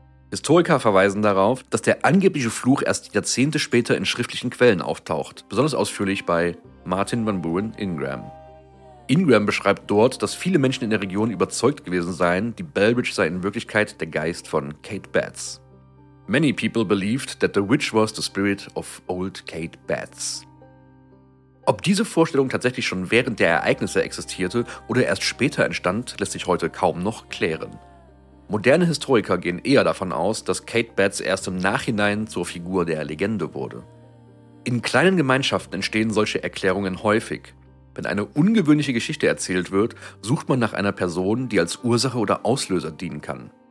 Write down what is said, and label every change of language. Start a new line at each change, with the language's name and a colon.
German: Historiker verweisen darauf, dass der angebliche Fluch erst Jahrzehnte später in schriftlichen Quellen auftaucht, besonders ausführlich bei Martin Van Buren Ingram. Ingram beschreibt dort, dass viele Menschen in der Region überzeugt gewesen seien, die Bellwitch sei in Wirklichkeit der Geist von Kate Betts.
English: Many people believed that the witch was the spirit of old Kate Betts.
German: Ob diese Vorstellung tatsächlich schon während der Ereignisse existierte oder erst später entstand, lässt sich heute kaum noch klären. Moderne Historiker gehen eher davon aus, dass Kate Betts erst im Nachhinein zur Figur der Legende wurde. In kleinen Gemeinschaften entstehen solche Erklärungen häufig. Wenn eine ungewöhnliche Geschichte erzählt wird, sucht man nach einer Person, die als Ursache oder Auslöser dienen kann.